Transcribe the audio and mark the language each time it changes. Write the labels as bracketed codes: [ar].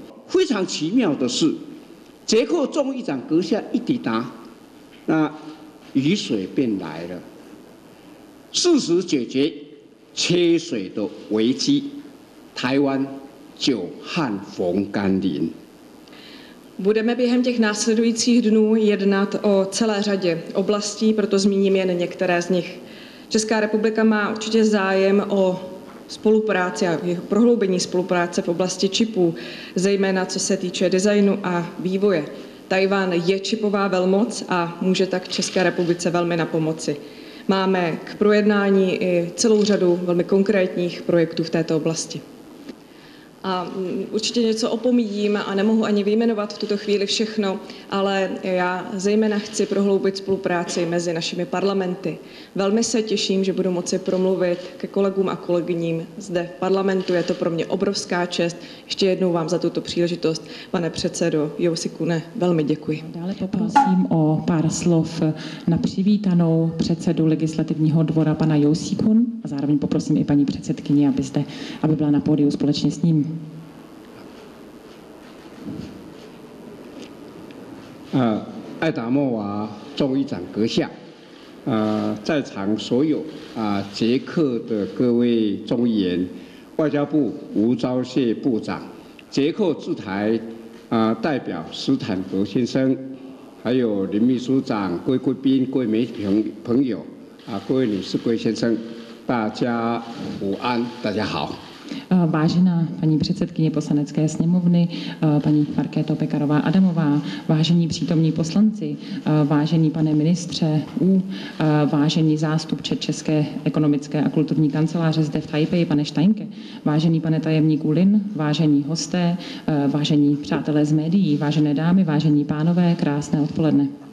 [zh] 非常奇妙的是，捷克众议长阁下一抵达，那雨水便来了，适时解决缺水的危机，台湾久旱逢甘霖。 [cs] Budeme během těch následujících dnů jednat o celé řadě oblastí, proto zmíním jen některé z nich. Česká republika má určitě zájem o spolupráci a prohloubení spolupráce v oblasti čipů, zejména co se týče designu a vývoje. Tajvan je čipová velmoc a může tak České republice velmi napomoci. Máme k projednání i celou řadu velmi konkrétních projektů v této oblasti. A určitě něco opomíjím a nemohu ani vyjmenovat v tuto chvíli všechno, ale já zejména chci prohloubit spolupráci mezi našimi parlamenty. Velmi se těším, že budu moci promluvit ke kolegům a kolegyním zde v parlamentu. Je to pro mě obrovská čest. Ještě jednou vám za tuto příležitost, pane předsedo Jussi Kune, velmi děkuji. Dále poprosím o pár slov na přivítanou předsedu legislativního dvora, pana Jussi Kune, a zároveň poprosím i paní předsedkyni, aby byla na pódiu společně s ním. [zh] 爱达莫娃众议长阁下，在场所有捷克的各位众议员，外交部吴钊燮部长，捷克驻台代表斯坦格先生，还有林秘书长、各位贵宾、各位媒体朋友各位女士、各位先生，大家午安，大家好。 [cs] Vážená paní předsedkyně poslanecké sněmovny, paní Markéto Pekarová Adamová, vážení přítomní poslanci, vážený pane ministře Wu, vážení zástupče České ekonomické a kulturní kanceláře zde v Taipei, pane Steinke, vážený pane tajemníku Lin, vážení hosté, vážení přátelé z médií, vážené dámy, vážení pánové, krásné odpoledne.